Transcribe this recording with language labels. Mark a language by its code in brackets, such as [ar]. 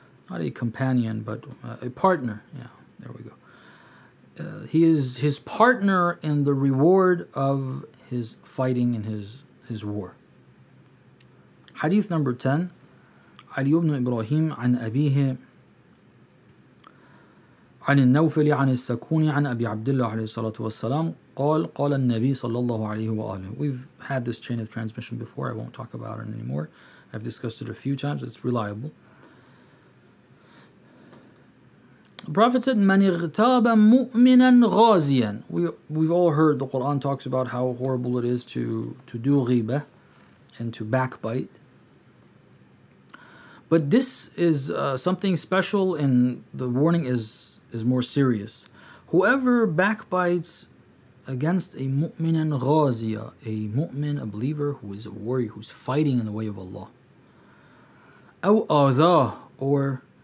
[en] Not a companion, but a partner. Yeah, there we go. He is his partner in the reward of his fighting and his war. Hadith number 10. [ar] علي بن إبراهيم عن أبيه عن النوفل عن السكون عن أبي عبد الله عليه الصلاة والسلام قال قال النبي صلى الله عليه وآله. [en] We've had this chain of transmission before. I won't talk about it anymore. I've discussed it a few times. It's reliable. The Prophet said, [ar] من اغتاب مؤمنا غازيا. [en] We've all heard the Quran talks about how horrible it is to do غيبة and to backbite. But this is something special, and the warning is more serious. Whoever backbites against a mu'minan ghaziya, a mu'min, a believer who is a warrior, who's fighting in the way of Allah, aw adha, or